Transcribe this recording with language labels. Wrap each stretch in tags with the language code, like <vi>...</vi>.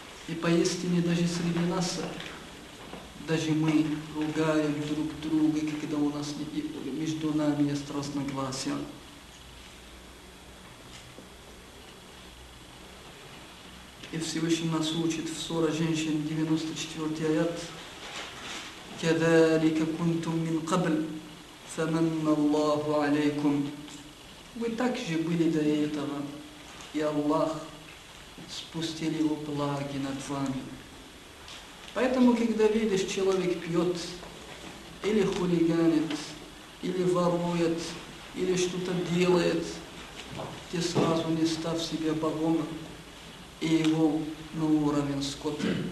<ru>И поистине даже среди нас, даже мы ругаем друг друга, когда у нас между нами есть разногласия. И Всевышний нас учит в Суре женщин, 94 аят.</ru> <ar>كذلك كنتم من قبل فمن الله عليكم.</ar> <ru>Вы также были до этого, и Аллах спустил его благи над вами. Поэтому, когда видишь, человек пьет, или хулиганит, или ворует, или что-то делает, ты сразу не став себе богом и его на уровень скота.</ru>